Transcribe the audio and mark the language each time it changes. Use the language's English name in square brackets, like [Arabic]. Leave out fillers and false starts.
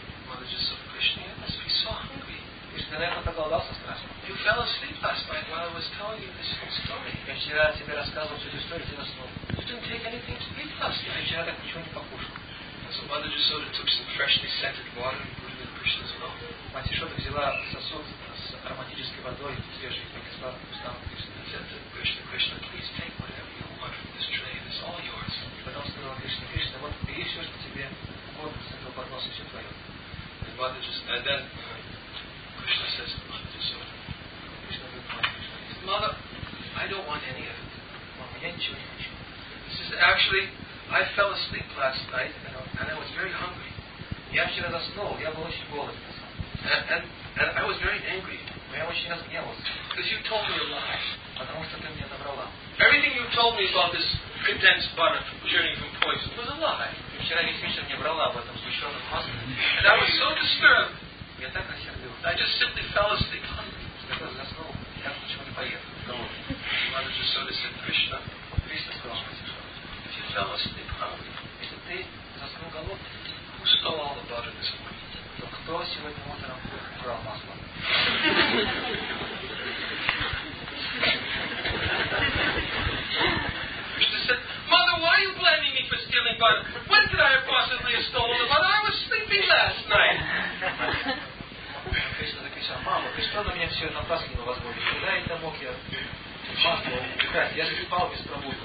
[English] Mother just said, Krishna, you must be so hungry. [Russian] Krishna, наверное, так голодался страшно. [English] You fell asleep last night while I was telling you this whole story. [Russian] Я вчера тебе рассказывал всю эту историю, ты заснул. [English] You didn't take anything to eat last night. [Russian] Я вчера так ничего не покушал. [English] And so Mother just sort of took some freshly scented water and put it in Krishna's mouth. [Russian] Мать Ишода взяла сосуд с ароматической водой, свежей, и несла в устах Кришны. [English] Krishna, Krishna, please take whatever you want from this tray. It's all yours. [Russian] Потом сказал Кришна, Кришна, вот бери все, что тебе угодно с этого подноса, все твое. [English] And then Krishna says, Mother Jasoda. [Russian] Krishna говорит, Мать Ишода. [English] Mother, I don't want any of it. [Russian] Мама, я ничего не хочу. [English] He says, actually, I fell asleep last night and I was very hungry. [Russian] Я вчера заснул, я был очень голоден. [English] And I was very angry. [Russian] Я очень разгневался. [English] Because you told me a lie. [Russian] Потому что ты мне наврала. [English] Everything you told me about this condensed butter churning from poison was a lie. [Russian] И вчера весь вечер мне врала об этом сгущенном масле. [English] And I was so disturbed. [Russian] Я так рассердился. [English] I just simply fell asleep hungry. [Russian] Я заснул. Я ничего не поел. [English] Mother Jasoda said, Krishna. [Russian] Krishna сказал, Мать Ишода. [English] If you fell asleep hungry. [Russian] Если ты заснул голодный. [English] Who stole all the butter this morning? [Russian] То кто сегодня утром украл масло? [English] Krishna said, Mother, why are you blaming me for stealing butter? When could I have possibly stolen the butter? I was sleeping last night. [Russian] Krishna написал, Мама, ты что на меня все напрасно возводишь? Куда это мог я масло украсть? Я же спал без пробуды.